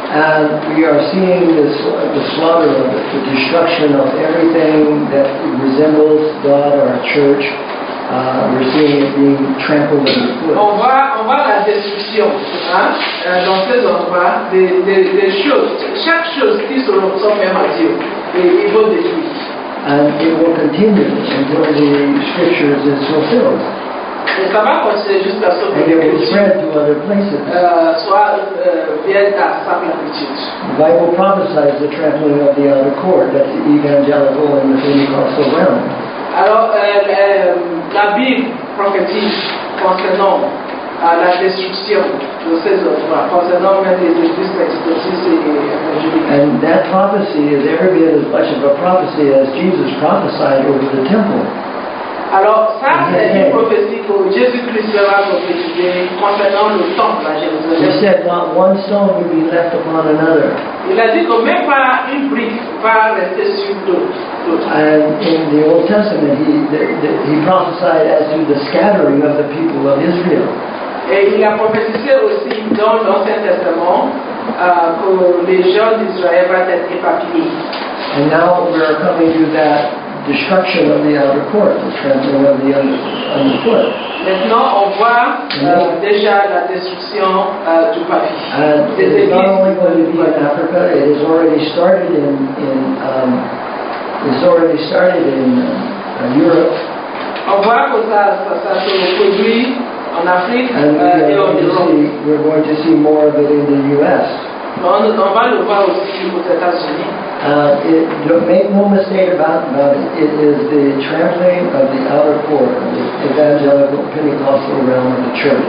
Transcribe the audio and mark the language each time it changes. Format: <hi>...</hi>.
<en>And we are seeing this, the slaughter of the destruction of everything that resembles God or our church. We're seeing it being trampled underfoot.</en> <fr>On voit la destruction, dans ces endroits, des choses, chaque chose qui se referme à Dieu, il faut détruire.</fr> <en>And it will continue until the scriptures is fulfilled.</en> <fr>Et ça va continuer jusqu'à ce que.</fr> <en>And it will spread to other places.</en> <fr>Soit</fr> <en>The Bible prophesies the trampling of the outer court, that's the evangelical and the Pentecostal realm.</en> <fr>La Bible prophétise concernant la destruction de ces endroits, concernant même les églises pentecôtistes et évangéliques.</fr> <en>And that prophecy is every bit as much of a prophecy as Jesus prophesied over the temple.</en> <fr>Alors, ça, c'est une prophétie que Jésus-Christ a prophétisé concernant le temple à Jérusalem.</fr> <en>He said, not one stone would be left upon another.</en> <fr>Il a dit que même pas une brique va rester sur l'autre.</fr> <en>And in the Old Testament, he prophesied as to the scattering of the people of Israel.</en> <fr>Et il a prophétisé aussi dans l'Ancien Testament que les gens d'Israël vont être éparpillés.</fr> <en>And now we are coming to that destruction of the outer court, the trampling of the underfoot.</en> <fr>Maintenant, on voit déjà la destruction du pavé.</fr> <en>It is not only going to be in Africa; it has already started in Europe.</en> <fr>On voit que ça se produit en Afrique et en Europe.</fr> <en>We're going to see more of it in the U.S.</en> <fr>On va le voir aussi aux États-Unis.</fr> <en>Make no mistake about it, it is the trampling of the outer court, the evangelical Pentecostal realm of the church.</en>